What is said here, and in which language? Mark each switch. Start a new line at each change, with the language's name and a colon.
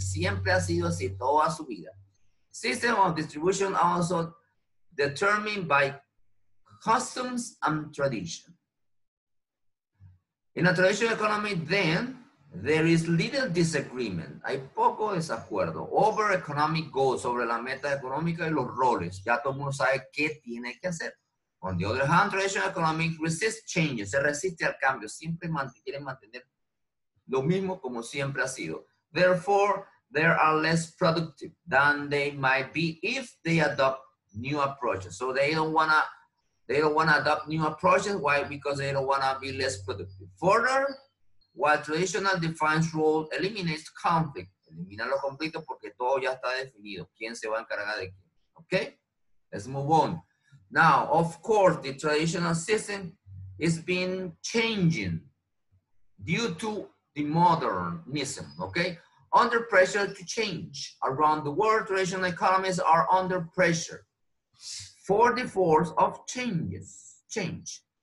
Spanish: Siempre ha sido así, toda su vida.
English: System of distribution also determined by customs and tradition. In a traditional economy, then, there is little disagreement.
Spanish: Hay poco desacuerdo.
English: Over economic goals,
Spanish: sobre la meta económica y los roles. Ya todo el mundo sabe qué tiene que hacer.
English: On the other hand, traditional economics resists changes.
Spanish: Se resiste al cambio. Siempre quieren mantener lo mismo como siempre ha sido.
English: Therefore, they are less productive than they might be if they adopt new approaches. So they don't wanna adopt new approaches. Why? Because they don't wanna be less productive. Further, while traditional defines role, eliminates conflict.
Spanish: Elimina los conflictos porque todo ya está definido. ¿Quién se va a encargar de quién?
English: Okay, let's move on. Now, of course, the traditional system is been changing due to the modernism, okay? Under pressure to change. Around the world, traditional economies are under pressure for the force of change.